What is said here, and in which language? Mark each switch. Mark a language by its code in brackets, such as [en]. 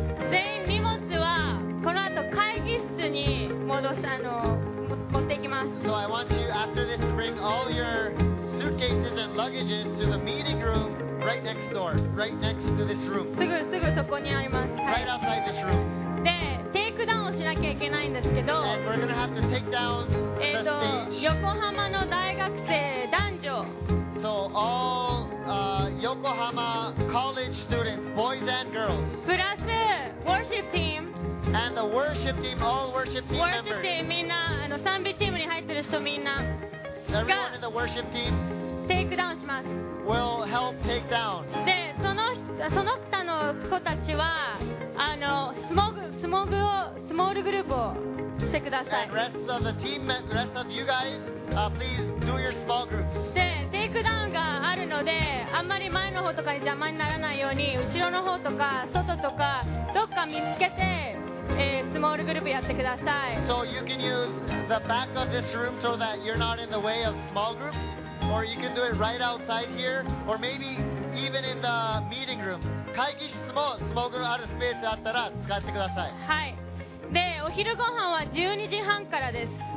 [ja] 全員荷物はこの後会議室に戻し、持っていきます。 [en] So I want you after this to bring all your suitcases and luggages to the meeting room right next door, right next to this room. [ja] すぐそこにあります。 [en] はい、right outside this room. [ja] で、テイクダウンをしなきゃいけないんですけど、 [en] and we're gonna have to take down the stage. [ja] 横浜の大学生男女。 [en] So all Yokohama college students, boys and girls. Plus the worship team. And the worship team, all worship team members. Worship team, [ja] みんな、賛美チームに入ってる人みんな。 [en] Everyone in the worship team. [ja] Take down します。 [en] Will help take down. [ja] で、その他の子たちは、スモールグループをしてください。 [en] And rest of the team, rest of you guys, please do your small groups. [ja] テイクダウンがあるので、あんまり前の方とかに邪魔にならないように、後ろの方とか外とかどっか見つけて、スモールグループやってください。 [en] So you can use the back of this room so that you're not in the way of small groups, or you can do it right outside here, or maybe even in the meeting room. [ja] 会議室もスモールグループあるスペースあったら使ってください。はい。で、お昼ご飯は12時半からです。